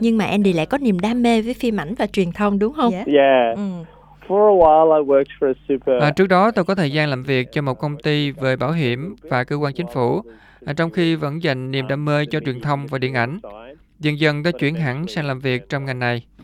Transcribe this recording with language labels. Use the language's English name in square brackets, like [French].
[Vietnamese] Nhưng mà Andy lại có niềm đam mê với phim ảnh và truyền thông đúng không? [English] For a while I worked for a super. [Vietnamese] Trước đó tôi có thời gian làm việc cho một công ty về bảo hiểm và cơ quan chính phủ, trong khi vẫn dành niềm đam mê cho truyền thông và điện ảnh. Dần dần tôi chuyển hẳn sang làm việc trong ngành này.